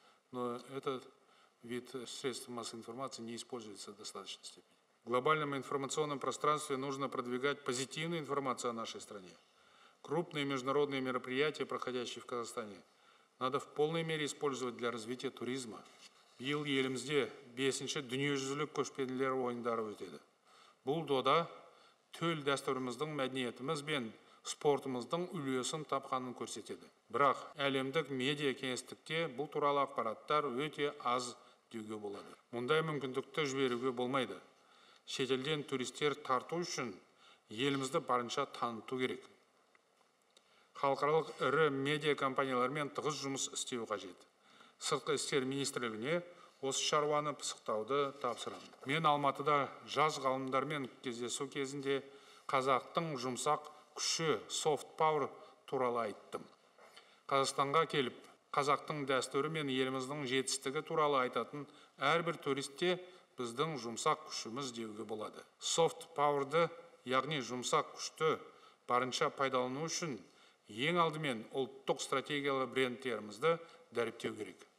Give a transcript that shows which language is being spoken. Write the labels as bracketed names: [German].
[Russian] Но этот вид средств массовой информации не используется в достаточной степени. В глобальном информационном пространстве нужно продвигать позитивную информацию о нашей стране. Крупные международные мероприятия, проходящие в Казахстане, надо в полной мере использовать для развития туризма. [Kazakh] Бұл елімізде 5-ші дүниежүзілік көшпенділер ойындары өтеді. Бұл дода төл дәстүріміздің мәдениетіміз бен спортымыздың үлесін тапқанын көрсетеді. Бірақ әлемдік медиа кеңістікте бұл туралы ақпараттар өте аз деуге болады. Мұндай мүмкіндікті жіберуге болмайды. Шетелден туристер тарту үшін елімізді барынша таныту керек. Халықаралық ірі медиа компаниялармен тығыз жұмыс істеу қажет. Сыртқы істер министрлігіне осы шаруаны пысықтауды тапсырам. Мен Алматыда жаз ғалымдармен кездесу кезінде қазақтың жұмсақ күші soft power туралы айттым. Қазақстанға келіп, қазақтың дәстүрі мен еліміздің жетістігі туралы айтатын әрбір туристте біздің жұмсақ күшіміз деуге болады. Soft power-ды, яғни жұмсақ күшті барынша пайдалану үшін ең алдымен ұлттық стратегиялы брендтерімізді дәріптеу керек.